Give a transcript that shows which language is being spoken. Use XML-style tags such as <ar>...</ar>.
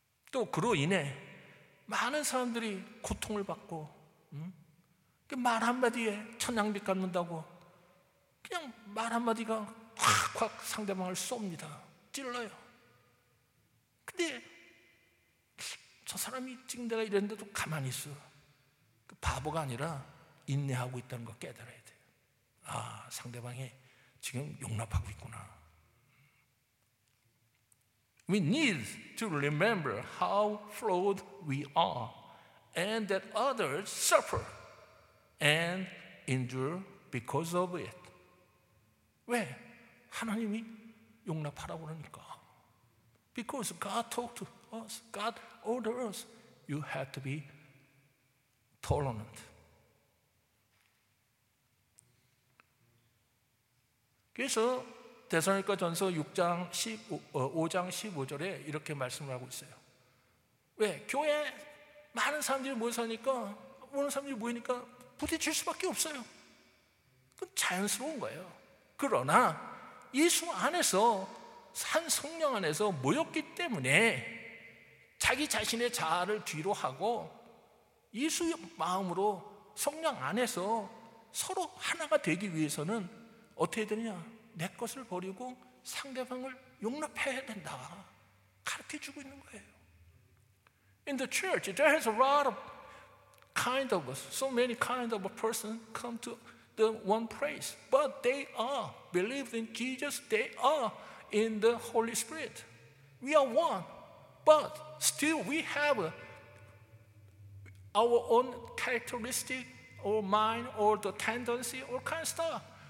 <ko>또 그로 인해 많은 사람들이 고통을 받고 말 한마디에 천냥빚 갚는다고 그냥 말 한마디가 확확 상대방을 쏩니다. 찔러요. 근데 저 사람이 지금 내가 이랬는데도 가만히 있어. 그 바보가 아니라 인내하고 있다는 걸 깨달아야 돼요. 아, 상대방이 지금 용납하고 있구나.</ko> <en>We need to remember how flawed we are and that others suffer and endure because of it.</en> <ko>왜? 하나님이 용납하라고 그러니까.</ko> <en>Because God talked to us, God ordered us, you have to be tolerant.</en> <ko>그래서 데살로니가 전서 6장 15, 5장 15절에 이렇게 말씀을 하고 있어요. 왜? 교회 많은 사람들이 모여서니까, 모든 사람들이 모이니까 부딪힐 수밖에 없어요. 그건 자연스러운 거예요. 그러나 예수 안에서 산 성령 안에서 모였기 때문에 자기 자신의 자아를 뒤로 하고 예수의 마음으로 성령 안에서 서로 하나가 되기 위해서는 어떻게 되느냐? 내 것을 버리고 상대방을 용납해야 된다. 가르쳐주고 있는 거예요.</ko> <en>In the church, there is a lot of kind of us, so many kind of a person come to the one place, but they are believed in Jesus, they are in the Holy Spirit. We are one, but still we have our own characteristic or mind or the tendency or kind of stuff.</en>